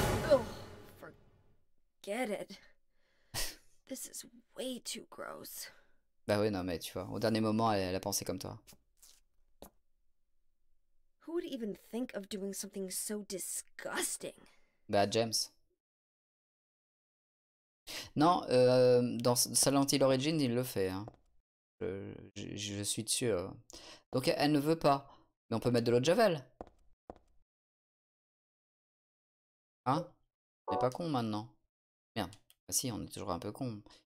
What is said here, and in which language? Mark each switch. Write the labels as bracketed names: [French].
[English] Oh, forget it. This is way too gross. [French] Bah oui, non, mais tu vois, au dernier moment, elle a pensé comme toi. [English] Who would even think of doing something so disgusting? [French] Bah, James. Non, dans Silent Hill Origins, il le fait. Hein. Je suis dessus. Donc, elle ne veut pas. Mais on peut mettre de l'eau de Javel. Hein? On n'est pas con, maintenant. Merde. Bah, si, on est toujours un peu con.